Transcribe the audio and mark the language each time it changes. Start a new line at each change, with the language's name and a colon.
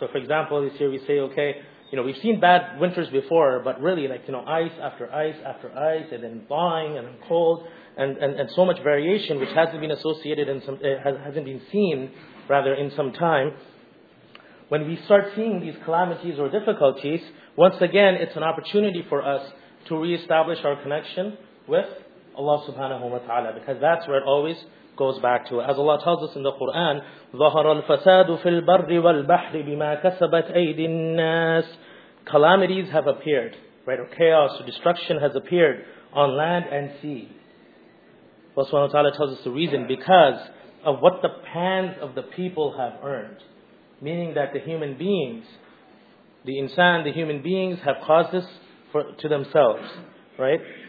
English: So for example, this year we say, okay, you know, we've seen bad winters before, but really, like, you know, ice after ice after ice, and then thawing and cold, and so much variation, which hasn't been associated in some, hasn't been seen, rather, in some time. When we start seeing these calamities or difficulties, once again, it's an opportunity for us to reestablish our connection with Allah subhanahu wa ta'ala, because that's where it always goes back to. As Allah tells us in the Quran,
Arabic: ظَهَرَ الْفَسَادُ فِي الْبَرِّ وَالْبَحْرِ بِمَا كَسَبَتْ أَيْدِ النَّاسِ.
English: Calamities have appeared, right? Or chaos or destruction has appeared on land and sea. Allah subhanahu wa ta'ala tells us the reason, because of what the hands of the people have earned. Meaning that the human beings, the insan, the human beings have caused this for, to themselves, right?